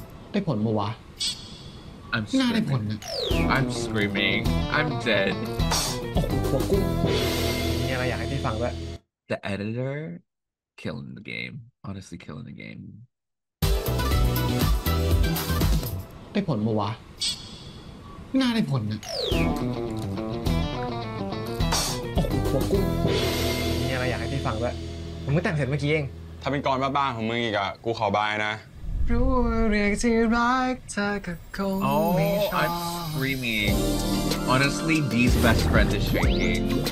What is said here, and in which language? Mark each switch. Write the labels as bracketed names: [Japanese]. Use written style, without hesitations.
[Thai] ได้ผลมาวะน่ าได้ผลนะ [English] I'm screaming I'm dead [Thai] โอ้โหหัวกุ้งมีอะไรอยากให้พี่ฟังด้วย [English] The editor killing the game honestly killing the game [Thai] ได้ผลมาวะน่าได้ผลนะโอ้โหหัวกุ้งมีอะไรอยากให้พี่ฟังด้วยผมเพิ่งแต่งเสร็จเมื่อกี้เอง ถ้าเป็นกรบ้าๆของมึงอีกอะกูขอบายนะ รู้เรื่องที่รักเธอก็คงมีชอบ [English] I'm screaming Honestly, D's best friend is shaking